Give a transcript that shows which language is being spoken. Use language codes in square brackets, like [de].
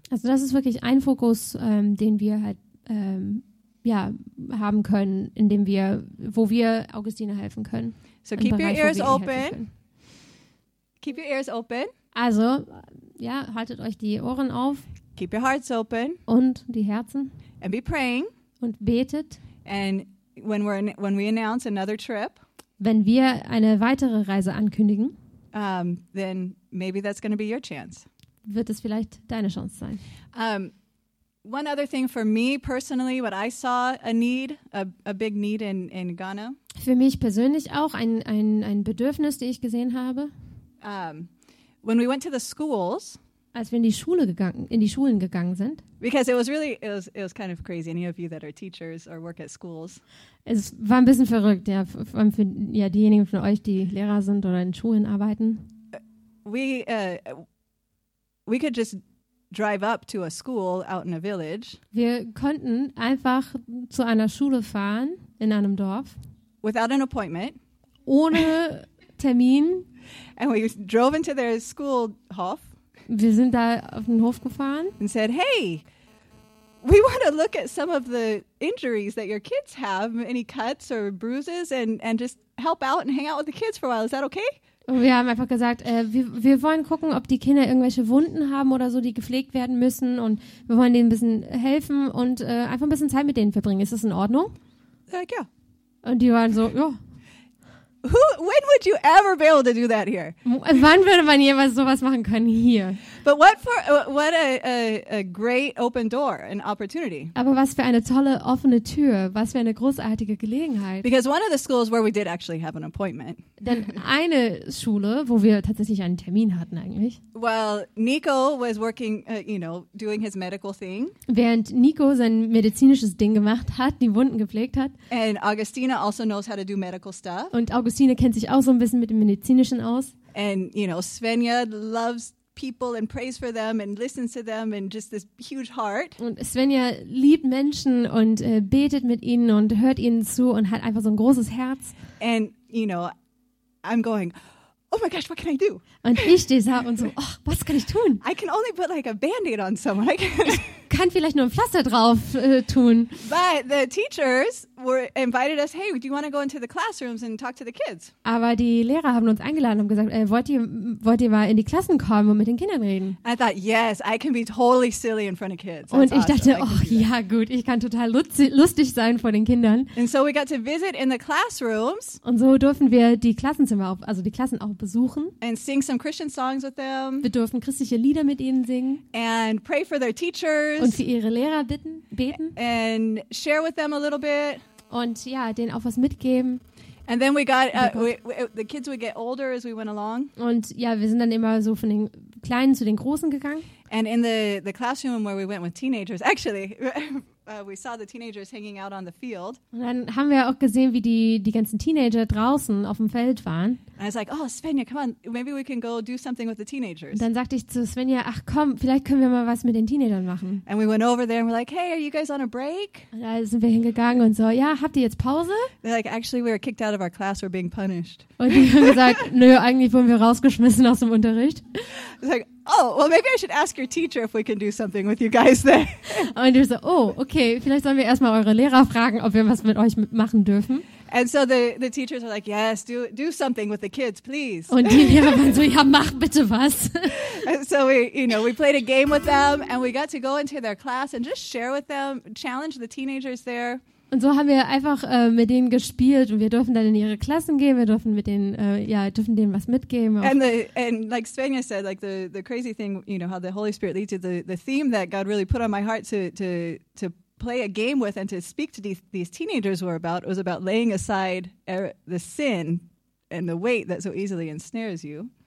[de] Also das ist wirklich ein Fokus, den wir halt haben können, indem wir wo wir Augustina helfen können. [en] So keep your ears open. Keep your ears open. [de] Also, ja, haltet euch die Ohren auf. [en] Keep your hearts open. [de] Und die Herzen. [en] And be praying. [de] Und betet. [en] And when we announce another trip. [de] Wenn wir eine weitere Reise ankündigen. [en] Then maybe that's going to be your chance. [de] Wird es vielleicht deine Chance sein. [en] One other thing for me personally, what I saw a big need in Ghana. [de] Für mich persönlich auch ein Bedürfnis, die ich gesehen habe. [en] When we went to the schools, [de] als wir in die Schulen gegangen sind, [en] because it was kind of crazy. Any of you that are teachers or work at schools, [de] es war ein bisschen verrückt, ja, für diejenigen von euch, die Lehrer sind oder in Schulen arbeiten. [en] We could just drive up to a school out in a village. [de] Wir konnten einfach zu einer Schule fahren in einem Dorf. [en] Without an appointment. [de] Ohne Termin. [en] And we drove into their school hof. [de] Wir sind da auf den Hof gefahren. [en] And said, hey, we want to look at some of the injuries that your kids have, any cuts or bruises, and just help out and hang out with the kids for a while. Is that okay? [de] Und wir haben einfach gesagt, wir wollen gucken, ob die Kinder irgendwelche Wunden haben oder so, die gepflegt werden müssen. Und wir wollen denen ein bisschen helfen und einfach ein bisschen Zeit mit denen verbringen. Ist das in Ordnung? [en] Like, yeah. [de] Und die waren so, ja. [en] When would you ever be able to do that here? [de] Wann würde man jemals sowas machen können hier? [en] But what for? What a great open door, an opportunity. [de] Aber was für eine tolle offene Tür, was für eine großartige Gelegenheit. [en] Because one of the schools where we did actually have an appointment. [de] Denn eine Schule, wo wir tatsächlich einen Termin hatten eigentlich. [en] Well, Nico was working, you know, doing his medical thing. [de] Während Nico sein medizinisches Ding gemacht hat, die Wunden gepflegt hat. [en] And Augustina also knows how to do medical stuff. [de] Und Augustina kennt sich auch so ein bisschen mit dem Medizinischen aus. [en] And you know, Svenja loves people and prays for them and listens to them and just this huge heart. [de] Und Svenja liebt Menschen und betet mit ihnen und hört ihnen zu und hat einfach so ein großes Herz. [en] And you know, I'm going, oh my gosh, what can I do? [de] Und ich stehe da und so, oh, was kann ich tun? [en] I can only put like a Band-Aid on someone. [de] Kann vielleicht nur ein Pflaster drauf tun. [en] But the teachers were invited us, hey, do you want to go into the classrooms and talk to the kids? [de] Aber die Lehrer haben uns eingeladen und gesagt, wollt ihr mal in die Klassen kommen und mit den Kindern reden? [en] I thought, yes, I can be totally silly in front of kids. That's [de] und ich dachte, oh ja, gut, ich kann total lustig sein vor den Kindern. [en] And so we got to visit in the classrooms. [de] Und so durften wir die Klassenzimmer, die Klassen auch besuchen. [en] And sing some Christian songs with them. [de] Wir durften christliche Lieder mit ihnen singen. [en] And pray for their teachers. [de] Und für ihre Lehrer beten. [en] And share with them a little bit. [de] Und ja, denen auch was mitgeben. [en] And then we got the kids would get older as we went along. [de] Und ja, wir sind dann immer so von den Kleinen zu den Großen gegangen. [en] And in the classroom where we went with teenagers, actually, we saw the teenagers hanging out on the field. [de] Und dann haben wir auch gesehen, wie die ganzen Teenager draußen auf dem Feld waren. [en] And I was like, oh, Svenja, come on, maybe we can go do something with the teenagers. [de] Und dann sagte ich zu Svenja, ach komm, vielleicht können wir mal was mit den Teenagern machen. [en] And we went over there and we're like, hey, are you guys on a break? [de] Und da sind wir hingegangen und so, ja, habt ihr jetzt Pause? [en] They're like, actually, we were kicked out of our class, we're being punished. [de] Und die haben gesagt, nö, eigentlich wurden wir rausgeschmissen aus dem Unterricht. [en] I was like, oh, well, maybe I should ask your teacher if we can do something with you guys then. [de] Und ich so, oh, okay, vielleicht sollen wir erstmal eure Lehrer fragen, ob wir was mit euch machen dürfen. [en] And so the teachers are like, yes, do something with the kids, please. [de] Und die Lehrer waren so, ja, mach bitte was. [en] And so we, you know, we played a game with them and we got to go into their class and just share with them, challenge the teenagers there. [de] Und so haben wir einfach mit denen gespielt und wir dürfen dann in ihre Klassen gehen, wir dürfen mit denen dürfen denen was mitgeben. [en] And like Svenja said, like the crazy thing, you know, how the Holy Spirit leads you, the theme that God really put on my heart to play a game with and to speak to these teenagers were about, it was about laying aside the sin and the weight that so easily ensnares you.